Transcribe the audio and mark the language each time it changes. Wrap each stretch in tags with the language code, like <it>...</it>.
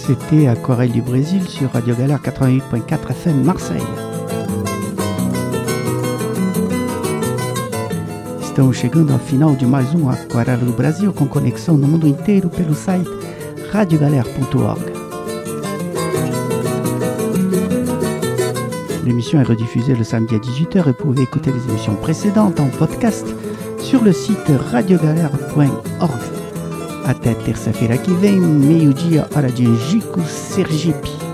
<fr>Et à Aquarelle du Brésil sur Radio Galère 88.4 FM Marseille.</fr> <pt>Estamos chegando ao final de mais um Aquarelle do Brasil com conexão no mundo inteiro pelo site radiogalère.org.</pt> <fr>L'émission est rediffusée le samedi à 18h et vous pouvez écouter les émissions précédentes en podcast sur le site radiogalère.org.</fr> <pt>Até terça-feira que vem, meio-dia, hora de Jico Sergipe.</pt>